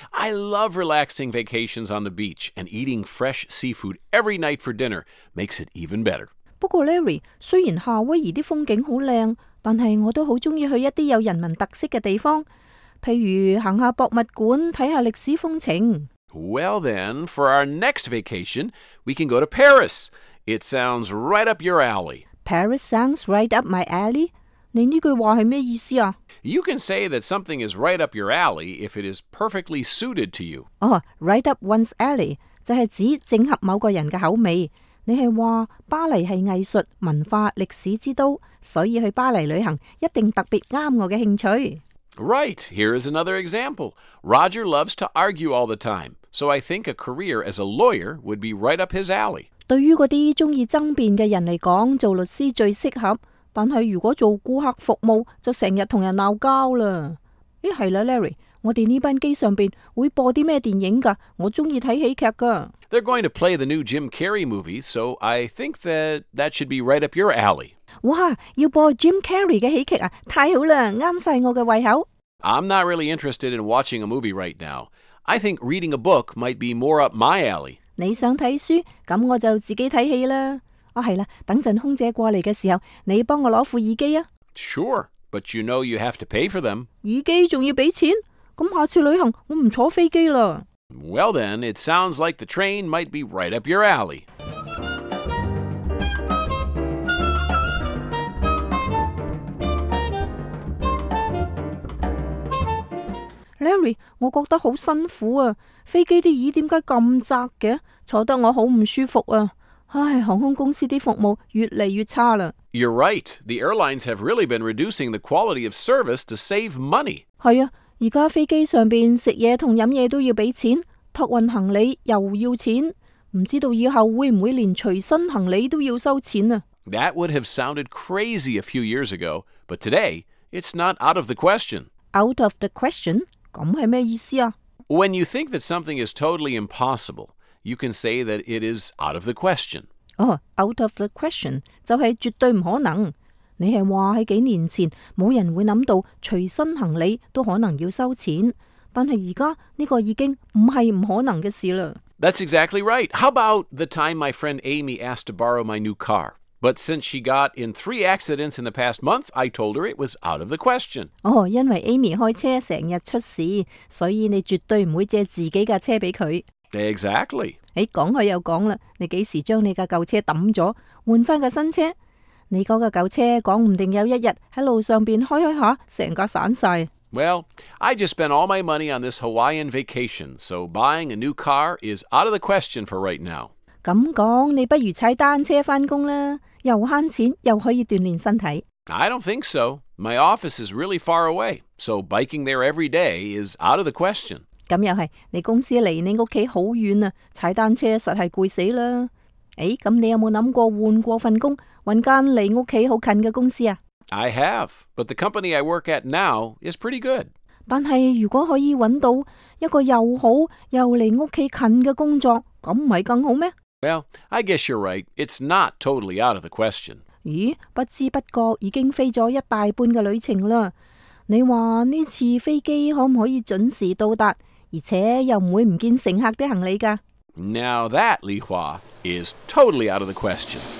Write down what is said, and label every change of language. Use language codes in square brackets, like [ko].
[en] I love relaxing vacations on the beach and eating fresh seafood every night for dinner makes it even better. [yue] 不过 Larry, 虽然夏威夷的风景很漂亮，但是我都很喜欢去一些有人文特色的地方。譬如行下博物馆，睇下历史风情。 [en] Well then, for our next vacation, we can go to Paris. It sounds right up your alley. Paris sounds right up my alley? [yue] 你呢句话系咩意思啊 [en] ？You can say that something is right up your alley if it is perfectly suited to you. [yue] Oh, [en] right up one's alley [yue] 就系指正合某个人嘅口味。你系话巴黎系艺术、文化、历史之都，所以去巴黎旅行一定特别啱我嘅兴趣。 [en] Right, here is another example. Roger loves to argue all the time, so I think a career as a lawyer would be right up his alley. [yue] 对于嗰啲中意争辩嘅人嚟讲，做律师最适合。但系如果做顾客服务，就成日同人闹交啦。咦，系啦 ，Larry， 我哋呢班机上边会播啲咩电影噶？我中意睇喜剧噶。 [en] They're going to play the new Jim Carrey movie, so I think that should be right up your alley. [yue] 哇，要播 Jim Carrey 嘅喜剧啊，太好啦，啱晒我嘅胃口。 [en] I'm not really interested in watching a movie right now. I think reading a book might be more up my alley. [yue] 你想睇书，咁我就自己睇戏啦。哦，系啦，等阵空姐过嚟嘅时候，你帮我攞副耳机啊。 [en] Sure, but you know you have to pay for them. [yue] 耳机仲要俾钱？咁下次旅行我唔坐飞机啦。 [en] Well then, it sounds like the train might be right up your alley. [yue] Larry, 我觉得好辛苦啊！飞机啲耳点解咁窄嘅？坐得我好唔舒服啊！唉，航空公司啲服务越嚟越差啦。 [en] You're right. The airlines have really been reducing the quality of service to save money. [yue] 系啊，而家飞机上边食嘢同饮嘢都要俾钱。托运行李又要钱，唔知道以后会唔会连随身行李都要收钱啊 [en] ？That would have sounded crazy a few years ago, but today it's not out of the question. Out of the question？ [yue] 咁系咩意思啊 [en] ？When you think that something is totally impossible, you can say that it is out of the question. [yue] 哦 ， [en] out of the question [yue] 就系绝对唔可能。你系话喺几年前冇人会谂到随身行李都可能要收钱。但系而家呢个已经唔系唔可能嘅事啦。 [en] That's exactly right. How about the time my friend Amy asked to borrow my new car? But since she got in 3 accidents in the past month, I told her it was out of the question. [yue] 哦，因为 Amy 开车成日出事，所以你绝对唔会借自己架车俾佢。 [en] Exactly. [yue] 诶，讲开又讲啦，你几时将你架旧车抌咗，换翻架新车？你嗰架旧车讲唔定有一日喺路上边开开下，成架散晒。 [en] Well, I just spent all my money on this Hawaiian vacation, so buying a new car is out of the question for right now. [yue] 咁讲，你不如踩单车翻工啦，又悭钱又可以锻炼身体。 [en] I don't think so. My office is really far away, so biking there every day is out of the question. [yue] 咁又系，你公司离你屋企好远啊，踩单车实系攰死啦。诶，咁你有冇谂过换过份工，搵间离屋企好近嘅公司啊？ [en] I have, but the company I work at now is pretty good. [yue] 但系如果可以揾到一个又好又离屋企近嘅工作，咁唔系更好咩 [en] ？Well, I guess you're right. It's not totally out of the question. [yue] 咦，不知不觉已经飞咗一大半嘅旅程啦。你话呢次飞机可唔可以准时到达，而且又唔会唔见乘客啲行李噶 [en] ？Now that, Li Hua, is totally out of the question.